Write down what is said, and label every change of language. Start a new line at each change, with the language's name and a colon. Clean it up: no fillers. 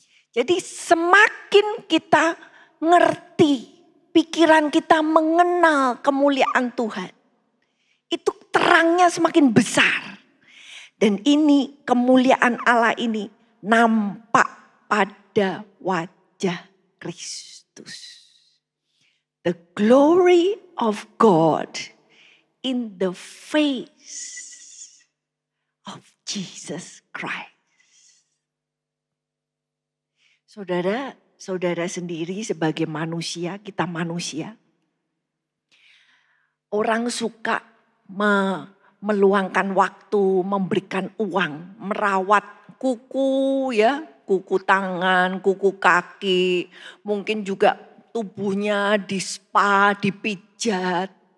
Indonesian: Jadi semakin kita ngerti, pikiran kita mengenal kemuliaan Tuhan. Itu terangnya semakin besar. Dan ini kemuliaan Allah ini nampak pada wajah Kristus.
English: The glory of God in the face of Jesus Christ.
Indonesian: Saudara, saudara sendiri sebagai manusia, kita manusia. Orang suka meluangkan waktu, memberikan uang, merawat kuku ya, kuku tangan, kuku kaki, mungkin juga tubuhnya di spa, dipijat.